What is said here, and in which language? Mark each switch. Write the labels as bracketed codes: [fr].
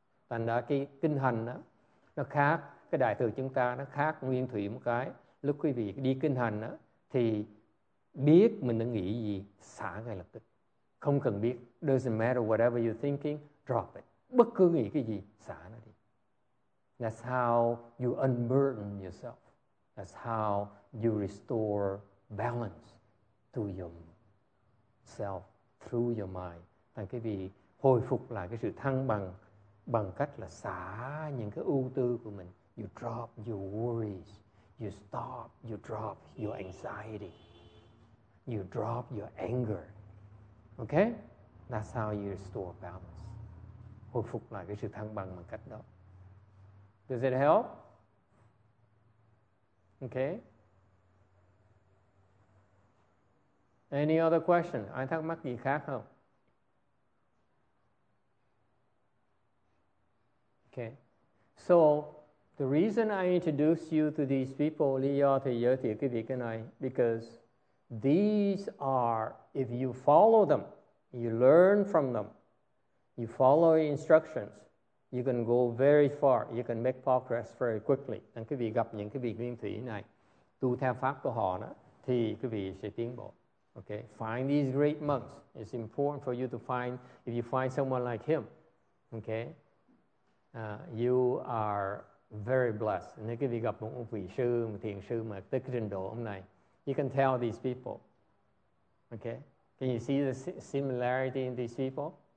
[vi] Thành ra cái kinh hành đó, nó khác, cái đại thừa chúng ta nó khác nguyên thủy một cái. Lúc quý vị đi kinh hành đó, thì biết mình đang nghĩ gì, xả ngay lập tức. Không cần biết, [en] doesn't matter whatever you're thinking, drop it. [vi] Bất cứ nghĩ cái gì, xả nó đi. [en] That's how you unburden yourself. That's how you restore balance to yourself through your mind. [vi] Thành cái vị hồi phục lại cái sự thăng bằng bằng cách là xả những cái ưu tư của mình. [en] You drop your worries. You stop. You drop your anxiety. You drop your anger. Okay? That's how you restore balance. [vi] Hồi phục lại cái sự thăng bằng bằng cách đó. [en] Does it help? Okay. Any other question? [vi] Ai thắc mắc gì khác không? [en] Okay. So the reason I introduce you to these people, [vi] Lý do thì giới thiệu quý vị cái này, [en] because these are, if you follow them, you learn from them, you follow instructions, you can go very far, you can make progress very quickly. [vi] Nên quý vị gặp những cái vị nguyên thủy này, tu theo pháp của họ đó, thì quý vị sẽ tiến bộ. [en] Okay, find these great monks. It's important for you to find, if you find someone like him, okay, you are very blessed. [vi] Nếu quý vị gặp một vị sư, một thiền sư mà tới cái trình độ hôm nay, [en] you can tell these people. Okay, can you see the similarity in these people?